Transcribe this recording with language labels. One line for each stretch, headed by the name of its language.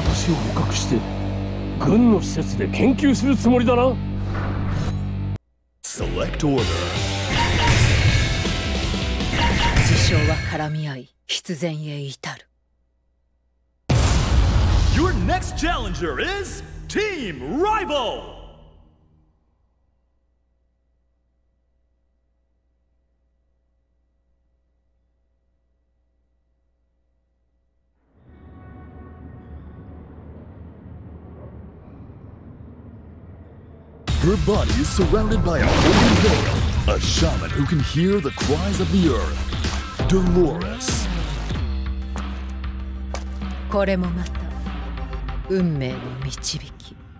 Japanese: で研究するつもりだな。
English: Select order.
Japanese: 事象は絡み合い必然へ至る。
English: Your next challenger is Team Rival! Her body is surrounded by a holy veil, a shaman who can hear the cries of the earth. Dolores.
Japanese: これもまた運命の導き。